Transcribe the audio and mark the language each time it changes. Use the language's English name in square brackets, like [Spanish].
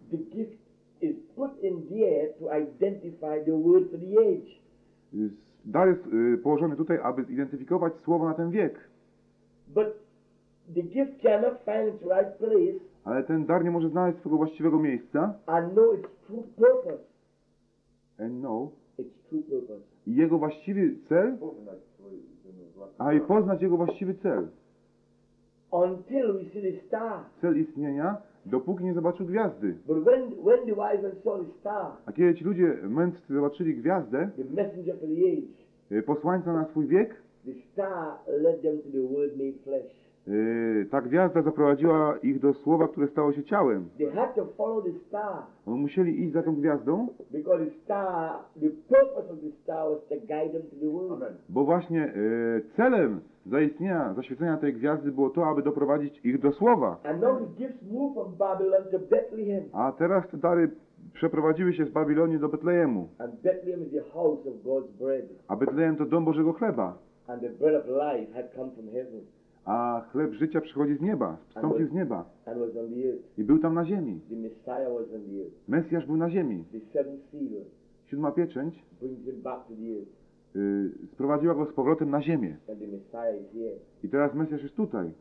[English] The gift is put in there to identify the word for the age. [Polish] Dar jest położony tutaj, aby zidentyfikować słowo na ten wiek. [English] But the gift cannot find its right place. [Polish] Ale ten dar nie może znaleźć swojego właściwego miejsca. [English] And know its true purpose. And know its true purpose. [Polish] Jego właściwy cel. Poznać swój, a i poznać jego właściwy cel. [English] Until we see the star. [Polish] Cel istnienia, dopóki nie zobaczył gwiazdy. [English] But when the wise men saw the star. [Polish] A kiedy ci ludzie mędrcy zobaczyli gwiazdę. [English] The messenger for the age. [Polish] Posłańca na swój wiek. [English] The star led them to the word made flesh. [Polish] Ta gwiazda zaprowadziła ich do słowa, które stało się ciałem. [English] They had to follow the star. [Polish] Oni musieli iść za tą gwiazdą. [English] Because the purpose of the star was to guide them to the word. [Polish] Bo właśnie celem zaistnienia, zaświecenia tej gwiazdy było to, aby doprowadzić ich do słowa. [English] And now the gifts move from Babylon to Bethlehem. [Polish] A teraz te dary przeprowadziły się z Babilonii do Betlejemu. [English] And Bethlehem is the house of God's bread. [Polish] A Betlejem to dom Bożego chleba. [English] And the bread of life had come from heaven. [Polish] A chleb życia przychodzi z nieba, wstąpił z nieba. [English] And was on the earth. [Polish] I był tam na ziemi. [English] The Messiah was on the earth. [Polish] Mesjasz był na ziemi. [English] The seventh seal. [Polish] Siódma pieczęć [English] brings him back to the earth. [Polish] Sprowadziła go z powrotem na ziemię. [English] And the Messiah is here. [Polish] I teraz Mesjasz jest tutaj.